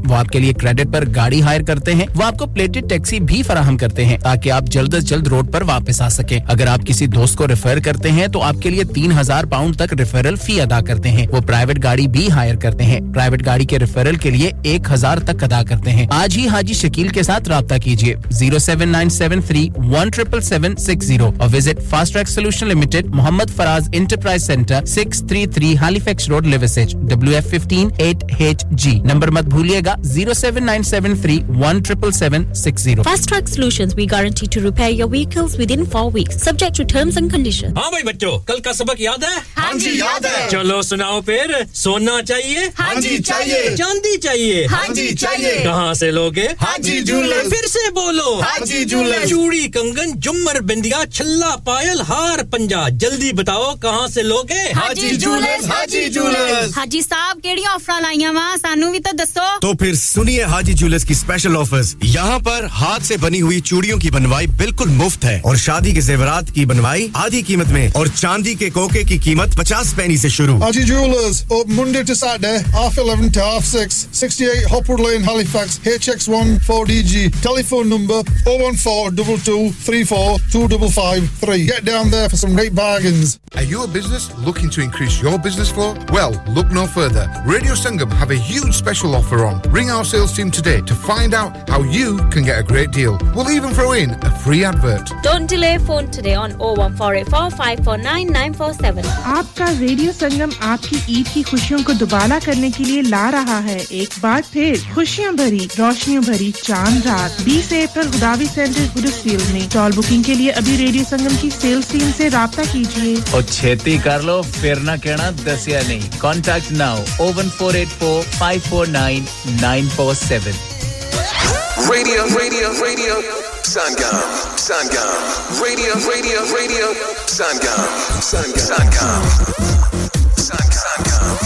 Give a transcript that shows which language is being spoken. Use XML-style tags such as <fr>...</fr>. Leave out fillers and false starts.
<hi>वो आपके लिए क्रेडिट पर गाड़ी हायर करते हैं, वो आपको प्लेटेड टैक्सी भी फराहम करते हैं ताकि आप जल्द से जल्द रोड पर वापस आ सके। अगर आप किसी दोस्त को रेफर करते हैं तो आपके लिए £3,000 तक रेफरल फी अदा करते हैं। वो प्राइवेट गाड़ी भी हायर करते हैं, प्राइवेट गाड़ी के रेफरल के लिए £1,000 तक अदा करते हैं। आज ही हाजी शकील के साथ राबता कीजिए</hi> <en>07973-177760 or visit Fast Track Solution Limited, Muhammad Faraz Enterprise Center, 633 Halifax Road, Liversedge, WF158HG.</en> <hi>Number mat bhuliyega 07973-177760.</hi> <en>Fast Track Solutions, we guarantee to repair your vehicles within 4 weeks, subject to terms and conditions.</en> <hi>हाँ भाई बच्चों, कल का सबक याद है? हाँ जी याद है। चलो सुनाओ फिर, सोना चाहिए? हाँ जी चाहिए। चांदी चाहिए? हाँ जी चाहिए। कहाँ से लोगे? हाँ जी झूले। फिर से बोलो। हाजी झूले। चूड़ी कंगन जुमर बिंदिया छल्ला पायल हार पंजा, जल्दी बताओ कहाँ से लोगे? हाजी झूले। हाजी झूले।</hi> <pa>हाजी साहब केड़ी ऑफर लाइया वा, सानू भी तो दसो।</pa> <hi>तो फिर सुनिए हाजी ज्वेलर्स की स्पेशल ऑफर्स। यहाँ पर हाथ से बनी हुई चूड़ियों की बनवाई बिल्कुल मुफ्त है और शादी के जेवरात की बनवाई आधी कीमत में और चांदी के कोके की कीमत 50 पैनी से शुरू।</hi> <en>Haji jewellers Monday to Saturday half 11 to half 6 68 Hopwood lane Halifax HX14DG।</en> <hi>Telephone number 01422342553.</hi> <en>Get down there for some great bargains. Are you a business looking to increase your business flow? Well, look no further. Radio Sangam have a huge special offer on. Ring our sales team today to find out how you can get a great deal. We'll even throw in a free advert. Don't delay, phone today on 01484549947.</en> <hi>Aapka Radio Sangam aapki Eid ki khushiyon ko dobara karne ke liye la raha hai. Ek baar phir khushiyon bhari, roshniyon bhari chaand raat 20 April गुदावी centre गुडसफील्ड में। Toll booking के लिए अभी radio संगम की sales team से राबता कीजिए।</hi> <pa>और छेती कर लो फिर ना कहना दसिया नहीं।</pa> <en>Contact now 01484549947। Radio radio radio Sangam Sangam radio radio radio Sangam Sangam Sangam Sangam</en>